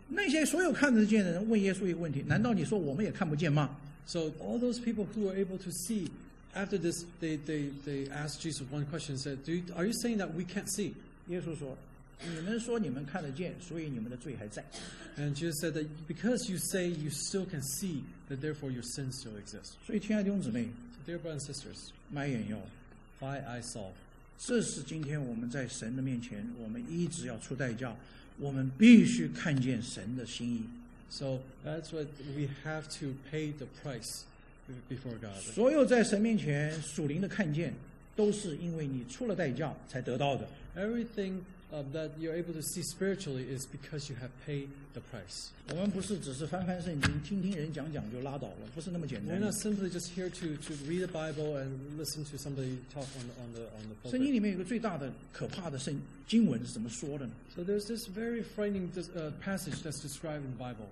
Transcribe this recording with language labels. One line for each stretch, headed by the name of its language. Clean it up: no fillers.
Chinese: 那些所有看得见的人问耶稣一个问题：难道你说我们也看不见吗
English: ？So all those people who were able to see. After this, they asked Jesus one question and said, are you saying that we can't see?
Chinese: 耶稣说，你们说你们看得见，所以你们的罪还在。
English: And Jesus said that because you say you still can see, that therefore your sin still exists.
Chinese: 所以亲爱的弟兄姊妹
English: Dear brothers and sisters,
Chinese: 买眼药
English: buy eye salt.
Chinese: 这是今天我们在神的面前，我们一直要出代价，我们必须看见神的心意。
English: So that's what we have to pay the price. Before God.
Chinese: 所有在神面前属灵的看见都是因为你出了代价才得到的
English: Everything that you're able to see spiritually is because you have paid the price
Chinese: 我们不是只是翻翻圣经听听人讲讲就拉倒了不是那么简单
English: We're not simply just here to read the Bible and listen to somebody talk on the pulpit
Chinese: 圣经里面有个最大的可怕的经文是怎么说的呢
English: So there's this very frightening passage that's described in the Bible